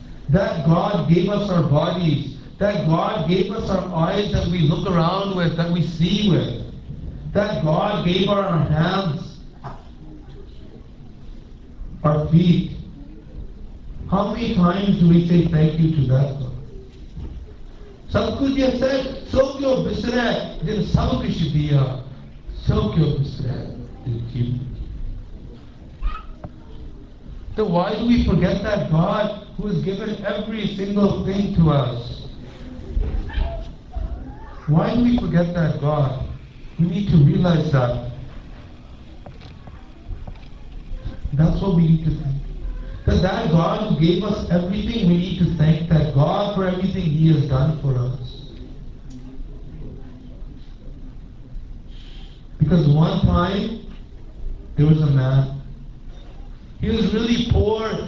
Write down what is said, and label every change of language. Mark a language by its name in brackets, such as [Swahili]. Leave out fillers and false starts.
[English] That God gave us our bodies. That God gave us our eyes that we look around with, that we see with. That God gave our hands, our feet. How many times do we say thank you to that God? [Punjabi] ਸਭ ਕੁਝ ਜੀ ਹੈ, ਸੋ ਕਿਉਂ ਵਿਸਰੈ ਜਿਨ ਸਭ ਕੁਛ ਦੀਆ, ਸੋ ਕਿਉਂ ਵਿਸਰੈ ਜਿਨ ਜੀਵ। [English] ਤੇ why do we forget that God who has given every single thing to us? Why do we forget that God? We need to realise that, that's what we need to think. But that God who gave us everything, we need to thank that God for everything He has done for us. Because one time, there was a man. He was really poor.